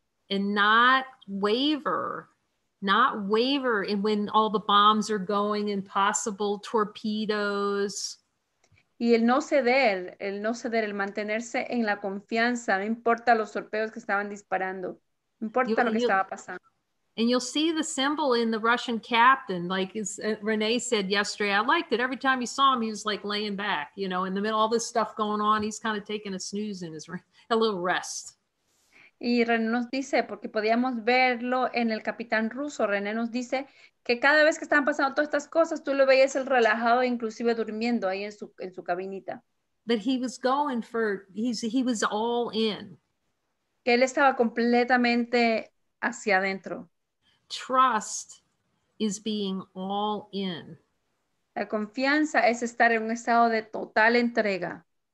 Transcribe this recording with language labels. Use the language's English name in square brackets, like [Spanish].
[English] And not waver and when all the bombs are going and possible torpedoes. [Spanish] Y el no ceder, el mantenerse en la confianza, no importa los torpedos que estaban disparando, no importa lo que estaba pasando. [English] And you'll see the symbol in the Russian captain, like as Renee said yesterday, I liked it. Every time you saw him, he was like laying back, you know, in the middle of all this stuff going on, he's kind of taking a snooze in his a little rest. [Spanish] Y René nos dice, porque podíamos verlo en el capitán ruso, René nos dice que cada vez que estaban pasando todas estas cosas, tú lo veías el relajado, inclusive durmiendo ahí en su cabinita. [English] But he was going for, he was all in. [Spanish] Que él estaba completamente hacia adentro. [English] Trust is being all in. [Spanish] La confianza es estar en un estado de total entrega.